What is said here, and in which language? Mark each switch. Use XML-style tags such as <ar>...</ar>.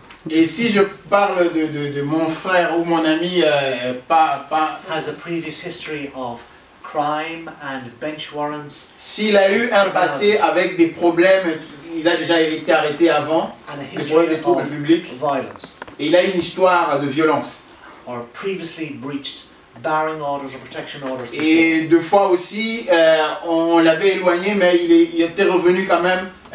<fr>Et si je parle de mon frère ou mon ami, pas</fr> <en>has a previous history of crime and bench warrants.</en> <fr>S'il a eu un passé avec des problèmes, il a déjà été arrêté avant.</fr> <en>And a history</en> <fr>des troubles</fr> <en>of</en> <fr>publics.</fr> <en>Violence.</en> <fr>Et il a une histoire de violence.</fr> <en>Or previously breached barring orders or protection orders.</en> <fr>Et deux fois aussi, on l'avait éloigné, mais il était revenu quand même.</fr>